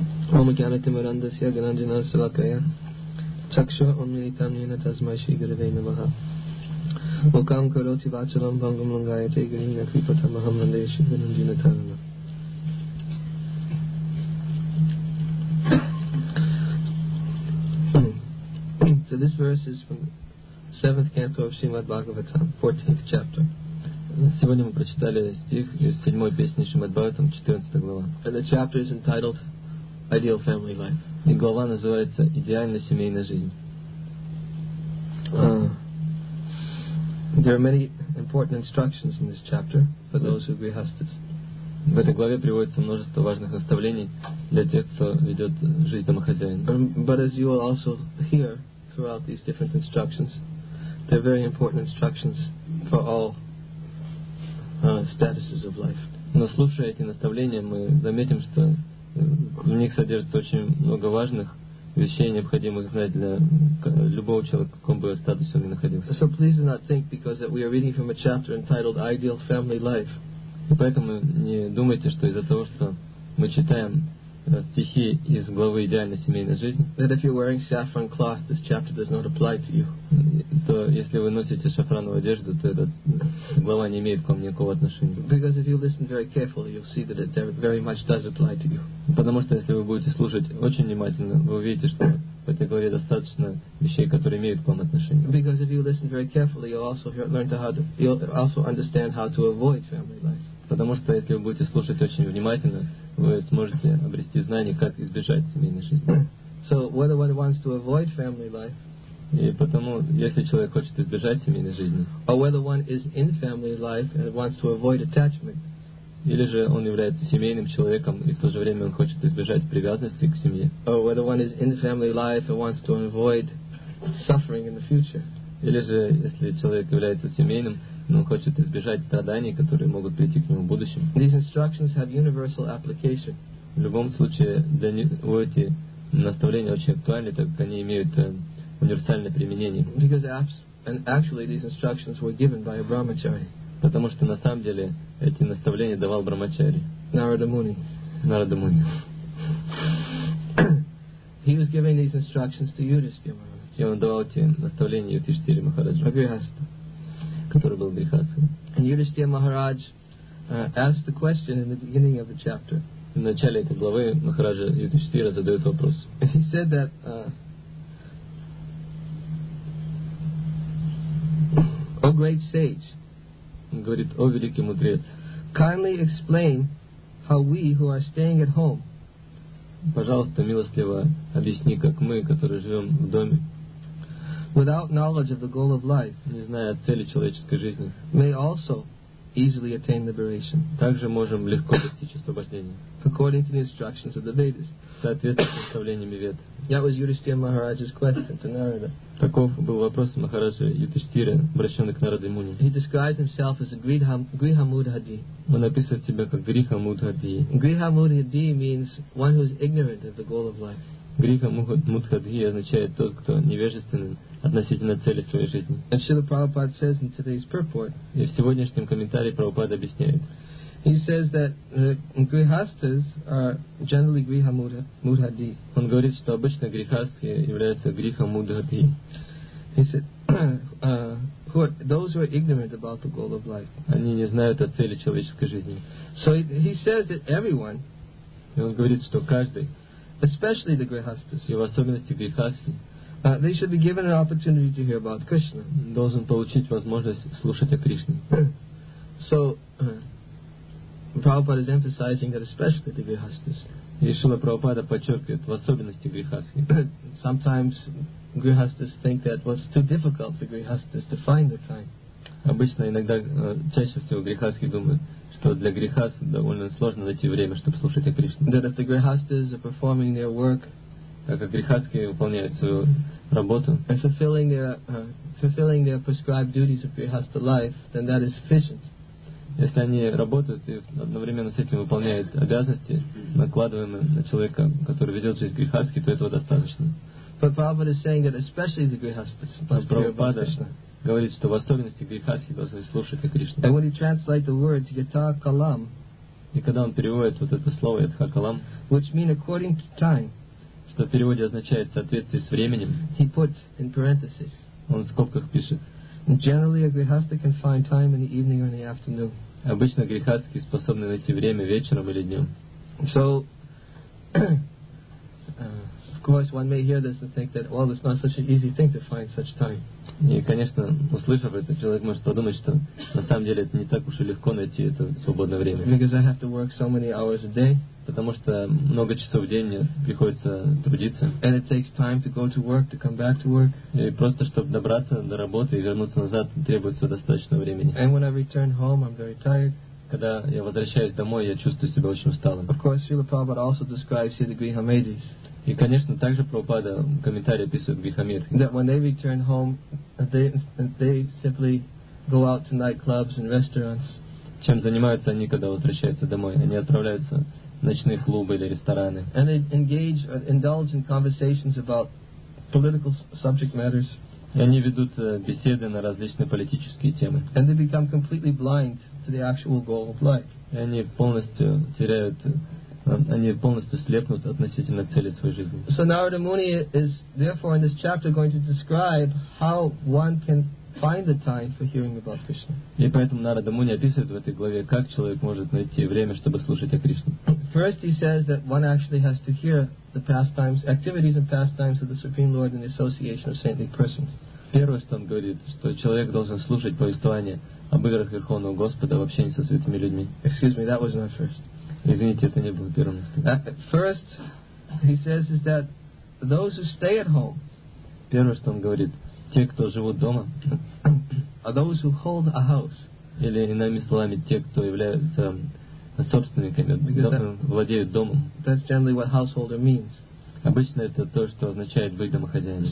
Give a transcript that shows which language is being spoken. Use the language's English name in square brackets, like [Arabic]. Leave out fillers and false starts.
[Sanskrit] Ом Гьянати Мурандасья Гнанджана Салакая Чакша Унмилитам Нина Тасмай Шри Гурве Намаха Мукам Кароти Вачалам Бхангам Лангаяте Гринна Крипатам Ахам Ванде Шри Гнанджана Тарама [English] So this verse is from the 7th canto of Srimad Bhagavatam, 14th chapter. [Russian] Сегодня мы прочитали стих из 7-й песни Шримад Бхагаватам, 14 глава. [English] And the chapter is entitled Ideal family life. [Russian] И глава называется «Идеальная семейная жизнь». [English] There are many important instructions in this chapter for those who grihasthas. [Russian] В этой главе приводится множество важных наставлений для тех, кто ведет жизнь домохозяина. [English] But as you will also hear throughout these different instructions, they're very important instructions for all statuses of life. [Russian] Но слушая эти наставления, мы заметим, что в них содержится очень много важных вещей, необходимых знать для любого человека, в каком бы статусе он ни находился. [English] So please do not think because that we are reading from a chapter entitled Ideal Family Life. [Russian] И поэтому не думайте, что из-за того, что мы читаем стихи из главы «Идеальная семейная жизнь», [English] that if you're wearing saffron cloth, this chapter does not apply to you. [Russian] То если вы носите шафрановую одежду, то эта глава не имеет к вам никакого отношения. [English] Because if you listen very carefully, you'll see that it very much does apply to you. [Russian] Потому что если вы будете слушать очень внимательно, вы увидите, что в этой главе достаточно вещей, которые имеют к вам отношение. [English] Because if you listen very carefully, you'll also learn to how to, you'll also understand how to avoid family life. [Russian] Потому что если вы будете слушать очень внимательно, вы сможете обрести знание, как избежать семейной жизни. [English] So whether one wants to avoid family life, [Russian] и потому, если человек хочет избежать семейной жизни, [English] or whether one is in family life and wants to avoid attachment, [Russian] или же он является семейным человеком и в то же время он хочет избежать привязанности к семье, [English] or whether one is in family life and wants to avoid suffering in the future, [Russian] или же если человек является семейным, но хочет избежать страданий, которые могут прийти к нему в будущем. [English] These instructions have universal application. [Russian] В любом случае, для него эти наставления очень актуальны, так как они имеют универсальное применение. [English] Because and actually these instructions were given by a brahmachari. [Russian] Потому что на самом деле эти наставления давал брахмачари. [English] Narada Muni. [Russian] Narada Muni. [English] He was giving these instructions to Yudhishthira Maharaj. [Russian] И он давал эти наставления Юдхиштхире Махараджу. Который был грехастхой. [English] And Yudhishthira Maharaj asked the question in the beginning of the chapter. [Russian] В начале этой главы Махараджа Юдхиштхира задает вопрос. [English] He said that O great sage, [Russian] он говорит, о великий мудрец, [English] kindly explain how we who are staying at home, [Russian] пожалуйста, милостливо объясни, как мы, которые живем в доме, [English] without knowledge of the goal of life, [Russian] не зная о цели человеческой жизни, [English] may also easily attain liberation, [Russian] также можем легко достичь освобождения, [English] according to the instructions of the Vedas, [Russian] соответственно наставлениям Вед. [English] That was Yudhishthira Maharaj's question to Narada. [Russian] Таков был вопрос Махараджа Юдхиштхира, обращенный к Нараде Муни. [English] He described himself as a Griha Mudhadi. [Russian] Он описывает себя как Гриха Мудхади. [English] Griha Mudhadi means one who is ignorant of the goal of life. [Russian] Гриха Мудхади означает тот, кто невежественен относительно цели своей жизни. [English] And Srila Prabhupada says in today's purport. [Russian] И в сегодняшнем комментарии Прабхупада объясняет. [English] He says that grihasthas are generally griha mudhadi. [Russian] Он говорит, что обычно грихасхи являются гриха мудхади. [English] He said, those who are ignorant about the goal of life. [Russian] Они не знают о цели человеческой жизни. [English] So he says that everyone. [Russian] И он говорит, что каждый. [English] Especially the grihasthas. [Russian] И в особенности грихасхи. [English] They should be given an opportunity to hear about Krishna. [Russian] Должен получить возможность слушать о Кришне. [English] So. Prabhupada is emphasizing that especially the grihasthas. [Russian] И Шрила Прабхупада подчеркивает в особенности грихасхи. [English] Sometimes grihasthas think that what's too difficult for grihasthas to find the time. [Russian] Обычно иногда чаще всего грихасхи думают, что для грихас довольно сложно найти время, чтобы слушать о Кришне. [English] That if the grihasthas are performing their work [Russian] как грехатхи выполняют свою работу, [English] fulfilling their prescribed duties of grihastha life, then that is sufficient. [Russian] Если они работают и одновременно с этим выполняют обязанности, накладываемые на человека, который ведет жизнь грихастхи, то этого достаточно. [English] But Prabhupada is saying that especially the grihasthas must hear about Krishna. [Russian] Говорит, что в особенности грихастхи должны слушать о Кришне. [English] And when he translates the words yatha kalam, [Russian] и когда он переводит вот это слово yatha kalam, [English] which means according to time, [Russian] что в переводе означает в соответствии с временем, [English] he put in parentheses, [Russian] он в скобках пишет, [English] generally a grihastha can find time in the evening or in the afternoon. [Russian] Обычно грихастхи способны найти время вечером или днем. [English] So of course, one may hear this and think that, well, it's not such an easy thing to find such time. [Russian] И, конечно, услышав это, человек может подумать, что на самом деле это не так уж и легко найти это свободное время. [English] Because I have to work so many hours a day. [Russian] Потому что много часов в день мне приходится трудиться. [English] And it takes time to go to work, to come back to work. [Russian] И просто чтобы добраться до работы и вернуться назад требуется достаточно времени. [English] And when I return home, I'm very tired. [Russian] Когда я возвращаюсь домой, я чувствую себя очень усталым. [English] Of course, Srila Prabhupada also describes here the grihamedis. [Russian] И, конечно, также Прабхупада в комментарии описывает грихамир. [English] That when they return home, they simply go out to nightclubs and restaurants. [Russian] Чем занимаются они, когда возвращаются домой? Они отправляются в ночные клубы или рестораны. [English] And they engage, indulge in conversations about political subject matters. [Russian] И они ведут беседы на различные политические темы. [English] And they become completely blind to the actual goal of life. [Russian] И они полностью теряют... Они полностью слепнут относительно цели своей жизни. [English] So Narada Muni is therefore in this chapter going to describe how one can find the time for hearing about Krishna. [Russian] И поэтому Narada Muni описывает в этой главе, как человек может найти время, чтобы слушать о Кришне. [English] First he says that one actually has to hear the pastimes, activities and pastimes of the Supreme Lord in the association of saintly persons. [Russian] Первое, что он говорит, что человек должен слушать повествование об играх Верховного Господа в общении со святыми людьми. [English] Excuse me, that was not first. [Russian] Извините, это не было первым. [English] First, he says, is that those who stay at home. [Russian] Первое, что он говорит, те, кто живут дома. [English] Are those who hold a house. [Russian] Или иными словами, те, кто являются собственниками, владеют домом. [English] That's generally what householder means. [Russian] Обычно это то, что означает быть домохозяином.